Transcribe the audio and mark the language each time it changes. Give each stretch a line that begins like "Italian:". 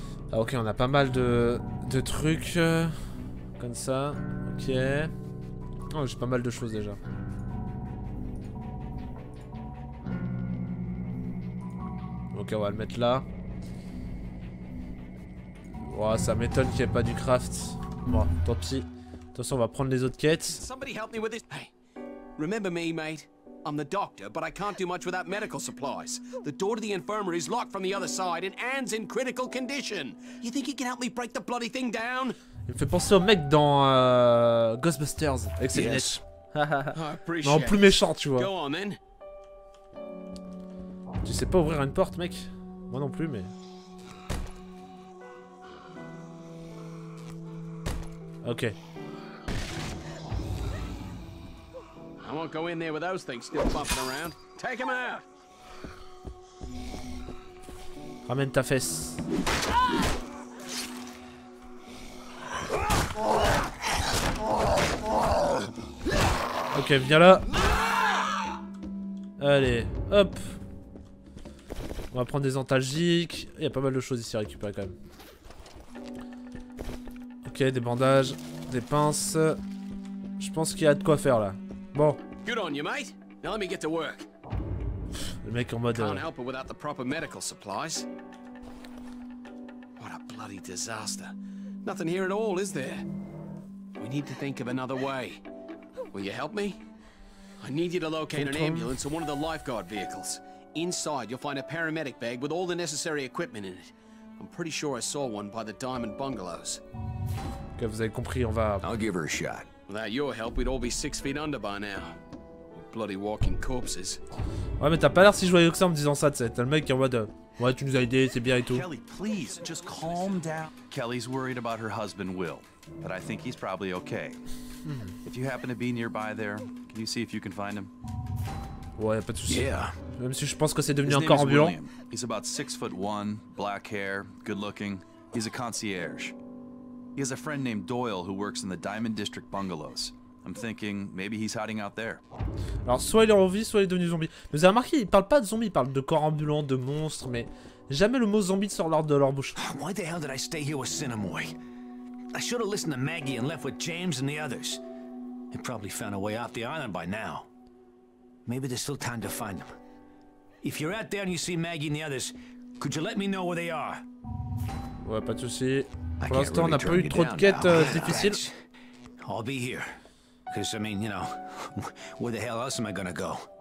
French: Ah, ok, on a pas mal de trucs. Comme ça, ok. Oh, j'ai pas mal de choses déjà. Ok, on va le mettre là. Ouah, ça m'étonne qu'il n'y ait pas du craft. Bon, tant pis. De toute façon, on va prendre les autres quêtes.
English: Somebody help me with this. Hey, remember me, mate. I'm the doctor, but I can't do much without medical supplies. The door to the infirmary is locked from the other side, and Anne's in critical condition. You think you can help me break the bloody thing down?
French: Il me fait penser au mec dans Ghostbusters avec ses lunettes.
English: I appreciate.
French: Non, plus méchant, tu vois.
English: Go on, then.
French: Tu sais pas ouvrir une porte, mec. Moi non plus, mais. Ok.
English: I won't go in there with those things still bumping around. Take them out.
French: Ramène ta fesse. Ok, viens là. Allez, hop. On va prendre des antalgiques. Il y a pas mal de choses ici à récupérer quand même. Ok, des bandages, des pinces. Je pense qu'il y a de quoi faire là. Bon.
English: Good on you, mate. Now let me get to work.
French: Le mec en mode.
English: Can't help her without the proper medical supplies. What a bloody disaster! Nothing here at all, is there? We need to think of another way. Will you help me? I need you to locate an ambulance or one of the lifeguard vehicles. Inside, you'll find a paramedic bag with all the necessary equipment in it. I'm pretty sure I saw one by the Diamond Bungalows.
French: Que vous avez compris, on va.
English: I'll give her a shot. Without your help, we'd all be 6 feet under by now. Bloody walking corpses.
French: Ouais, mais t'as pas l'air si joyeux que ça en me disant ça, tu sais. T'as le mec qui est en mode ouais, tu nous as aidé, c'est bien et tout.
English: Kelly, please, just calm down. Kelly's worried about her husband Will, but I think he's probably okay. If you happen to be nearby there, can you see if you can find him?
French: Ouais, y'a pas de soucis.
English: Yeah.
French: Même si je pense que c'est devenu encore ambulant.
English: He's about 6'1", black hair, good looking. He's a concierge. He has a friend named Doyle who works in the Diamond District bungalows. I'm thinking maybe he's hiding out there.
French: Alors soit il est en vie, soit il est devenu zombie. Mais vous avez remarqué, ils parlent pas de zombies, ils parlent de corps ambulant, de monstres, mais jamais le mot zombie sort de leur bouche.
English: Why the hell did I stay here with Cinnamoy? I should have listened to Maggie and left with James and the others. They probably found a way off the island by now. Maybe there's still time to find them. If you're out there and you see Maggie and the others, could you let me know where they are?
French: Ouais, pas de souci. Pour l'instant, on n'a pas eu trop de quêtes difficiles.
English: I'll be here. Because, I mean, you know, where the hell else am I gonna go?